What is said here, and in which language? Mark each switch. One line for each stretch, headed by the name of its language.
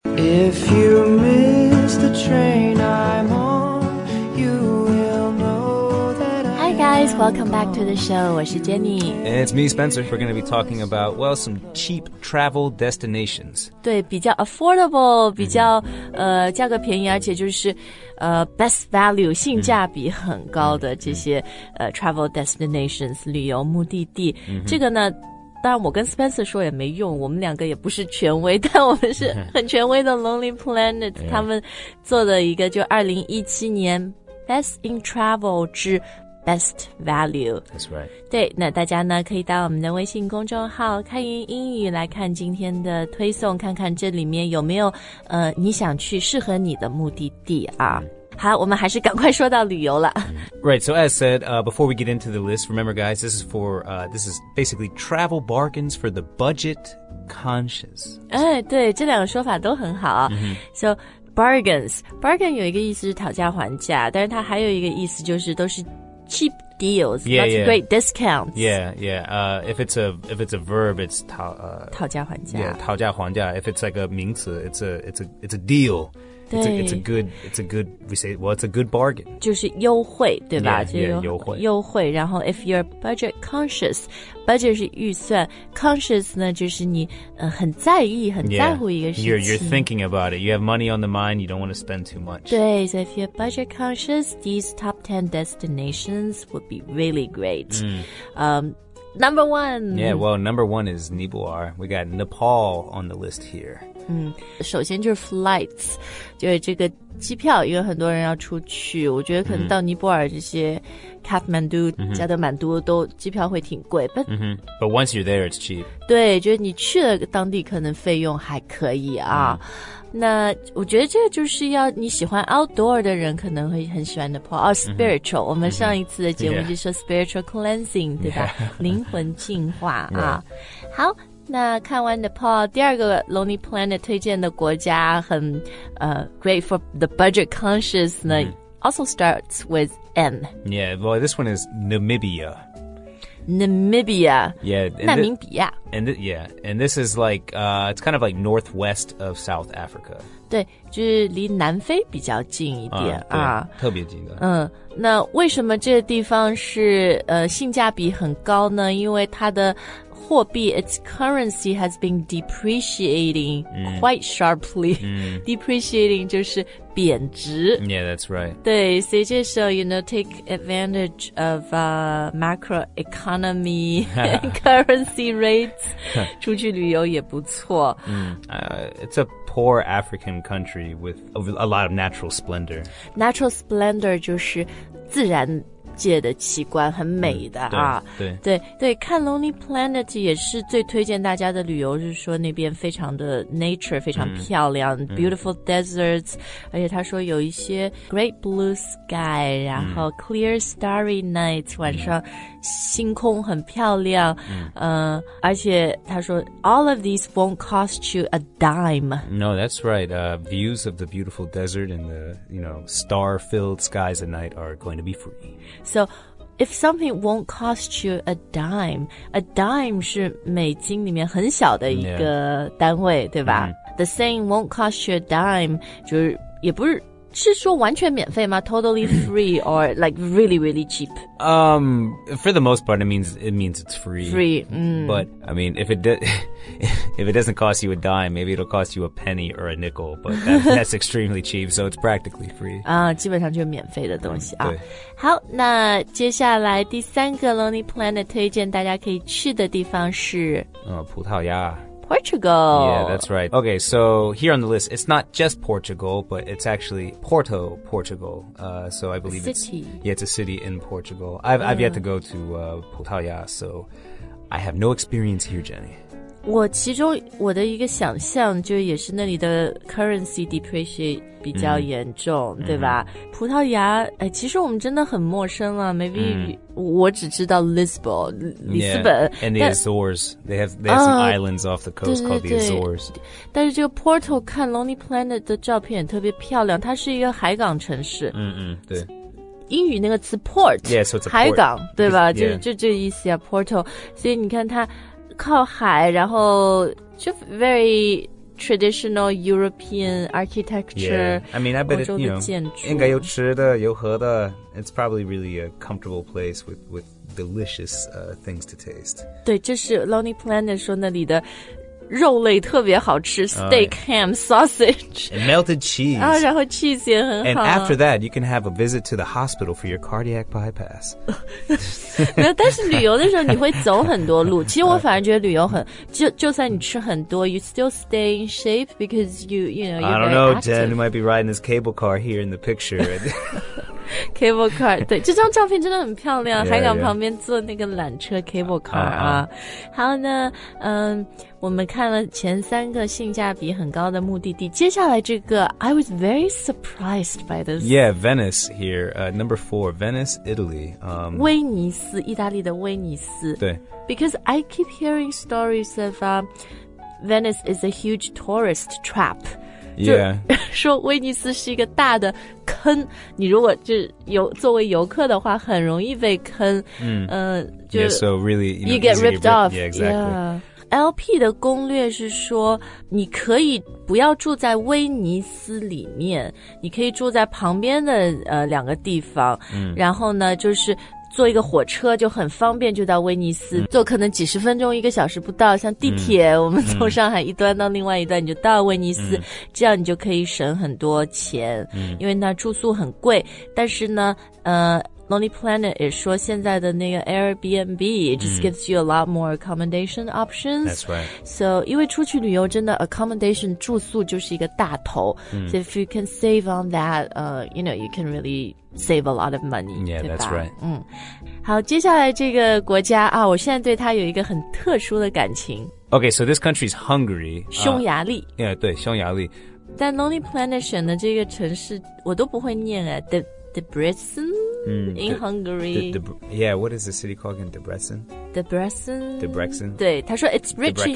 English: If you miss the train I'm on, you will know that I'm Hi guys, welcome back to the show.
Chinese: 我是 Jenny.
English: And it's me, Spencer. We're going to be talking about, well, some cheap travel destinations.
Chinese: 对，比较 affordable, 比较、mm-hmm. 价格便宜，而且就是
English: best value,
Chinese: 性价比很高的这些、mm-hmm.
English: Travel destinations,
Chinese: 旅游目的地。Mm-hmm. 这个呢当然我跟 Spencer 说也没用，我们两个也不是权威，但我们是很权威的 Lonely Planet 他们做的一个就2017年 Best in Travel 之 Best Value.
English: That's right.
Chinese: 对，那大家呢可以到我们的微信公众号开云英语来看今天的推送，看看这里面有没有你想去适合你的目的地啊。好，我们还是赶快说到旅游了。
English: Right, so as said, before we get into the list, remember guys, this is for, this is basically travel bargains for the budget conscious.
Chinese: 哎，对，这两个说法都很好。
English: Mm-hmm. So, bargains.
Chinese: Bargain 有一个意思是讨价还价，但是它还有一个意思就是都是
English: cheap deals, lots of great discounts. Yeah, yeah. If it's a verb, it's
Chinese: 讨价还价。 Yeah, 讨价还价。
English: If it's like a
Chinese: 名词,
English: it's a deal. It's a good bargain.
Chinese: 就是优惠对吧 yeah, 优惠然后
English: if you're budget conscious,
Chinese: budget 是预算 conscious 呢就是你、很在意很在乎一个事情
English: yeah, you're thinking about it. You have money on the mind, you don't want to spend too much.
Chinese: 对
English: so if you're budget conscious, these top 10 destinations would be really great.、 Mm. Number one. Yeah, well, number one is Nibuar. We got Nepal on the list here.
Chinese: 嗯，首先就是 flights， 就是这个机票，因为很多人要出去，我觉得可能到尼泊尔这些 Kathmandu、mm-hmm. 加德满都都机票会挺贵
English: ，but、mm-hmm. but once you're there, it's cheap。
Chinese: 对，就是你去了当地，可能费用还可以啊。Mm-hmm. 那我觉得这就是要你喜欢 outdoor 的人可能会很喜欢 Nepal、
English: oh, spiritual、
Chinese: mm-hmm. 我们上一次的节目就说
English: spiritual cleansing、 yeah.
Chinese: 对吧、
English: yeah.
Chinese: 灵魂净化啊。Yeah. 好那看完 Nepal 第二个 Lonely Planet 推荐的国家很、
English: great for the budget conscious、
Chinese: mm-hmm. 呢
English: also starts with N Yeah, well this one is Namibia Namibia. Yeah.
Chinese: 纳米比亚
English: And this is like, it's kind of like northwest of South Africa.
Chinese: 对就是离南非比较近一点特别近的。那为什么这个地方是、性价比很高呢因为它的货币
English: its currency has been depreciating quite sharply.、 Mm.
Chinese: depreciating 就是贬值
English: Yeah, that's right.
Chinese: 对所以这时候
English: you know, take advantage of、macro economy currency rates.
Chinese: 出去旅游也不错、 mm.
English: It's a poor African country with a lot of natural splendor.
Chinese: Natural splendor 就是自然界的奇观很美的啊、嗯、对对, 对, 对看 Lonely Planet 也是最推荐大家的旅游是说那边非常的 nature 非常漂亮、嗯、
English: beautiful deserts、
Chinese: 嗯、而且他说有一些
English: great blue sky
Chinese: 然后
English: clear starry night、
Chinese: 嗯、晚上星空很漂亮、嗯而且他说
English: all of these won't cost you a dime no that's right views of the beautiful desert and the you know star filled skies at night are going to be free
Chinese: So,
English: if something won't cost you a dime
Chinese: 是美金里面很小的一个单位、
English: yeah.
Chinese: 对吧、mm-hmm.
English: The saying won't cost you a dime
Chinese: 就是也不是是说完全免费吗
English: Totally free or like really really cheap For the most part it means it's free Free、mm. But I mean if it doesn't cost you a dime Maybe it'll cost you a penny or a nickel But that's extremely cheap So it's practically free
Chinese: 啊、基本上就是免费的东西啊。好那接下来第三个 Lonely Planet 推荐大家可以去的地方是、葡萄牙
English: Portugal. Yeah, that's right. Okay, so here on the list, it's not just Portugal, but it's actually Porto, Portugal. So I believe it's... City. Yeah, it's a city in Portugal. I've yet to go to Portugal, so I have no experience here, Jenny.
Chinese: 我其中我的一个想象就也是那里的 currency depreciate 比较严重、mm-hmm. 对吧、mm-hmm. 葡萄牙、哎、其实我们真的很陌生了 maybe、mm-hmm. 我只知道 Lisbon 里斯本
English: yeah, and the Azores they have some islands off the coast
Chinese: 对对对
English: called the Azores
Chinese: 但是这个 Porto 看 Lonely Planet 的照片特别漂亮它是一个海港城市嗯嗯、mm-hmm, 对英语那个词 port
English: yeah so it's a port
Chinese: 海港对吧
English: yeah.
Chinese: 就这意思啊 Porto 所以你看它靠海然后就 very
English: traditional European architecture. Yeah. I mean, I bet it, you know,
Chinese: 应该有吃的有喝的
English: It's probably really a comfortable place with delicious things to taste.
Chinese: 对，这是 Lonely Planet 说那里的肉类特别好吃
English: Steak,、oh, yeah. ham, sausage. And melted cheese.
Chinese: 啊，然后 cheese 也很好。
English: And after that, you can have a visit to the hospital for your cardiac bypass.
Chinese: 没有，但是旅游的时候你会走很多路。其实我反而觉得旅游很，就算你吃很多
English: you still stay in shape because you know,
Chinese: you're
English: I don't know, Jen, you might be riding this cable car here in the picture.
Chinese: cable car, 对，这张照片真的很漂亮
English: yeah,
Chinese: 海港旁边坐那个缆车 cable car 啊。好呢，我们看了前三个性价比很高的目的地，接下来这个
English: I was very surprised by this. Yeah, Venice here, number four, Venice, Italy.
Chinese: 威尼斯，意大利的威尼斯。对。
English: Because I keep hearing stories of Venice is a huge tourist trap. Yeah.
Chinese: 说威尼斯是一个大的坑，你如果就游作为游客的话，很容易被坑。就
English: yeah, so really, you, know, you get ripped off. Yeah, exactly. Yeah.
Chinese: LP 的攻略是说你可以不要住在威尼斯里面你可以住在旁边的两个地方、嗯、然后呢就是坐一个火车就很方便就到威尼斯、嗯、坐可能几十分钟一个小时不到像地铁、嗯、我们从上海一端到另外一端你就到威尼斯、嗯、这样你就可以省很多钱、嗯、因为那住宿很贵但是呢Lonely Planet 也说现在的那个 Airbnb
English: just gives you a lot more accommodation options. That's right.
Chinese: So, 因为出去旅游真的 accommodation 住宿就是一个大头、 mm.
English: So if you can save on that, you know, you can really save a lot of money. Yeah, that's right.
Chinese: 好接下来这个国家啊我现在对它有一个很特殊的感情。
English: Okay, so this country is Hungary.
Chinese: 匈牙利。 Yeah, 对匈牙利。但 Lonely Planet 选的这个城市我都不会念诶 Debrecen?
English: In Hungary. Yeah, what is the city called again? Debrecen? Debrecen? Debrecen?
Chinese: 对他说
English: it's rich、Debrecen?